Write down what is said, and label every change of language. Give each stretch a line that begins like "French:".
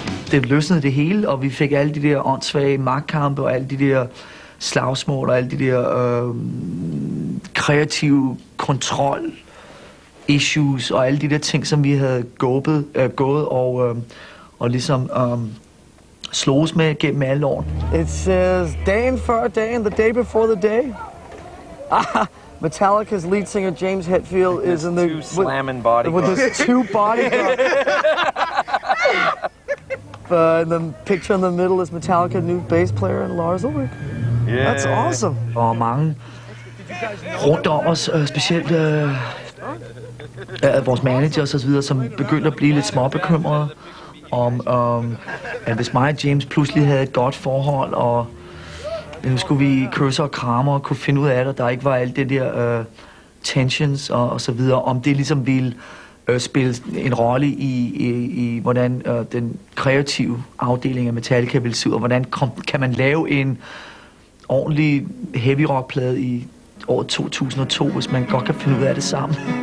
Danish: Det løsnede det hele, og vi fik alle de der åndssvage magtkampe, og alle de der slagsmål, og alle de der kreative kontrol issues og alle de der ting, som vi havde gået og ligesom slås med gennem alle år.
English: It says,
Danish: dagen før dagen,
English: the day before the day. Metallica's lead singer James Hetfield is in the... With this two bodyguards. And the picture in the middle is Metallica new bass player and Lars Ulrich. Yeah. That's awesome.
Danish: Og mange rundt om os, specielt vores managers og så videre, som begyndte at blive lidt småbekymrede om, at hvis mig og James pludselig havde et godt forhold, og nu skulle vi kysse og kramme og kunne finde ud af det, der ikke var alt det der tensions og så videre, om det ligesom ville spille en rolle i hvordan den kreative afdeling af Metallica ville se ud, og hvordan kan man lave en ordentlig heavy rock plade i år 2002, hvis man godt kan finde ud af det sammen.